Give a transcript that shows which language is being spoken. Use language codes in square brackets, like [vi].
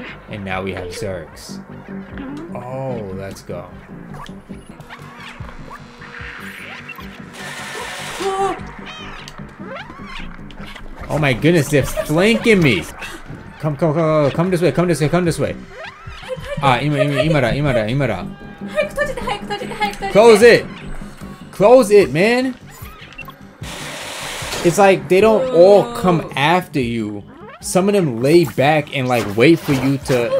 [en] And now we have Zergs. Oh, let's go. Oh my goodness, they're flanking me! Come, come, come, come, come this way, come this way, come this way. [ja] あ、今、今、今だ、今だ、今だ。早く閉じて、早く閉じて、早く閉じて。 [en] Close it! Close it, man! It's like they don't all come after you. Some of them lay back and like wait for you to.